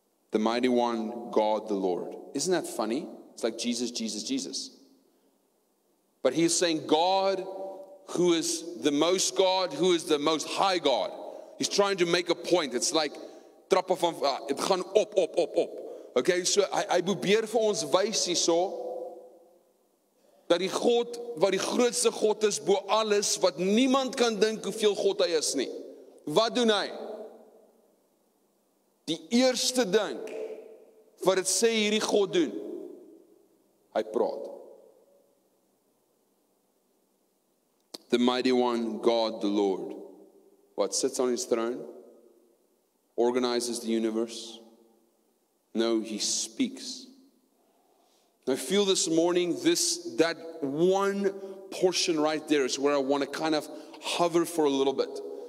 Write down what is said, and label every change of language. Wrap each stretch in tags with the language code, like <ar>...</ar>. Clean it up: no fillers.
<en>The mighty one, God the Lord. Isn't that funny? It's like Jesus, Jesus, Jesus. But he's saying God, who is the most God, who is the most high God. He's trying to make a point. It's like,</en> <af>trappe van,</af> <en>it</en> <af>gaan op, op, op, op. Okay, so hy probeer vir ons wys hierso, dat die God, wat die grootste God is, bo alles, wat niemand kan dink hoeveel God hy is nie. Wat doen hy? Die eerste ding, wat het sê hierdie God doen, hy praat.</af> <en>The mighty one, God the Lord, what sits on his throne, organizes the universe. No, he speaks. I feel this morning, that one portion right there is where I want to kind of hover for a little bit.</en>